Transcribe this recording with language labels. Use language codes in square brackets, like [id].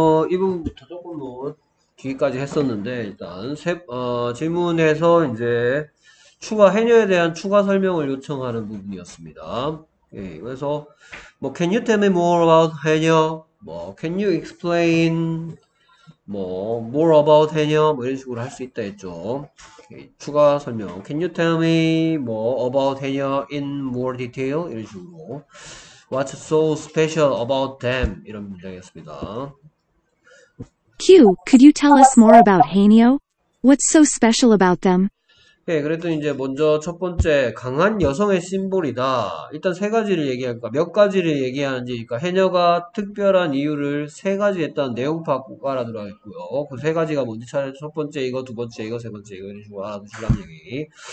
[ko] 이 부분부터 조금은 기기까지 했었는데, 일단, 질문에서 이제 추가 해녀에 대한 추가 설명을 요청하는 부분이었습니다. 예, 그래서, 뭐, [en] can you tell me more about 해녀? [ko] 뭐, [en] can you explain? 뭐, more about 해녀? [ko] 뭐, 이런 식으로 할수 있다 했죠. 예, 추가 설명. [en] Can you tell me more about 해녀 in more detail? [ko] 이런 식으로. [en] What's so special about them? [ko] 이런 문장이었습니다. [en] Q, could you tell us more about Haenyeo? What's so special about them? [ko] 예, 그랬더니 이제 먼저 첫 번째, 강한 여성의 심볼이다. 일단 세 가지를 얘기할까? 몇 가지를 얘기하는지, 그러니까 해녀가 특별한 이유를 세 가지 했다는 내용 파악 알아들어야 했고요. 그세 가지가 뭔지 차라리 첫 번째, 이거, 두 번째, 이거, 세 번째, 이거, 이런 식으로 알아두시란 얘기.